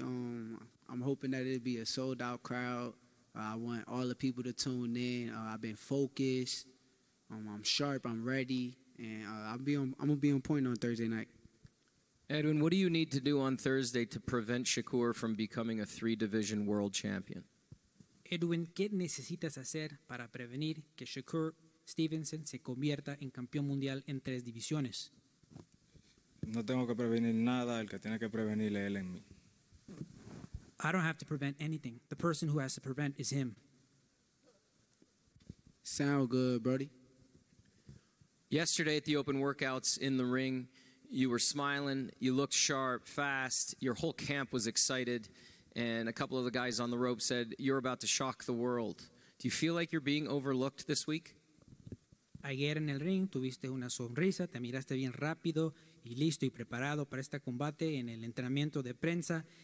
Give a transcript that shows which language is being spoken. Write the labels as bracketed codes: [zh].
[en] I'm hoping that it'll be a sold-out crowd. I want all the people to tune in. I've been focused. I'm sharp. I'm ready. And I'm going to be on point on Thursday night. Edwin, what do you need to do on Thursday to prevent Shakur from becoming a three-division world champion? [es] Edwin, ¿qué necesitas hacer para prevenir que Shakur Stevenson se convierta en campeón mundial en tres divisiones? No tengo que prevenir nada, el que tiene que prevenir es él en mí. [en] I don't have to prevent anything. The person who has to prevent is him. Sound good, Brody. Yesterday at the open workouts in the ring, you were smiling, you looked sharp, fast, your whole camp was excited, and a couple of the guys on the rope said, you're about to shock the world. Do you feel like you're being overlooked this week? [es] Ayer en el ring tuviste una sonrisa, te miraste bien rápido y listo y preparado para este combate en el entrenamiento de prensa.